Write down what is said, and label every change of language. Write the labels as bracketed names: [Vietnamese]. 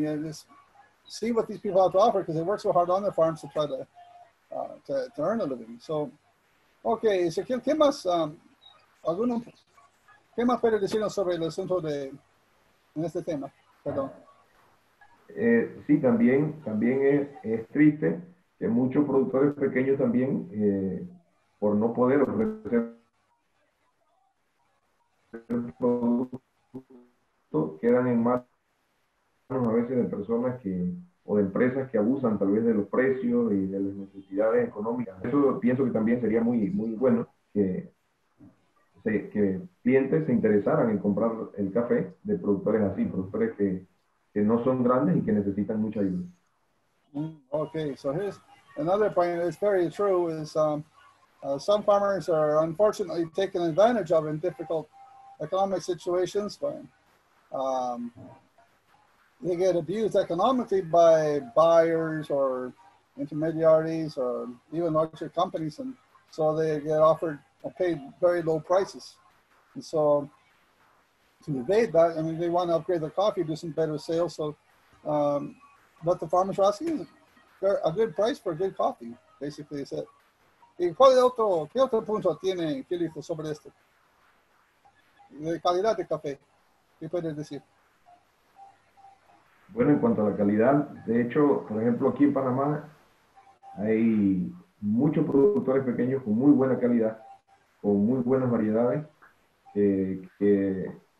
[English] You know, just see what these people have to offer because they work so hard on their farms to try to earn a living. So, okay, Ezequiel, [Spanish] ¿qué más? ¿Qué más puede decirnos sobre el asunto de, en este tema? Perdón. Sí, también es triste que muchos productores pequeños también, por no poder ofrecer productos, quedan en manos a veces de personas que, o de empresas que abusan tal vez de los precios y de las necesidades económicas. Eso pienso que también sería muy, muy bueno que clientes se interesaran en comprar el café de productores así, productores que no son grandes y que necesitan mucha ayuda. [English] Okay, so here's another point that's very true is some farmers are unfortunately taken advantage of in difficult economic situations, but they get abused economically by buyers or intermediaries or even larger companies, and so they get offered or paid very low prices. And so to evade that, I mean, they want to upgrade their coffee, do some better sales. So what the farmers are asking is a good price for a good coffee, basically, is it. [Spanish] ¿Y cuál otro, qué otro punto tiene Filipe sobre esto? De calidad de café, ¿qué puedes decir? Bueno, en cuanto a la calidad, de hecho, por ejemplo, aquí en Panamá hay muchos productores pequeños con muy buena calidad, con muy buenas variedades, que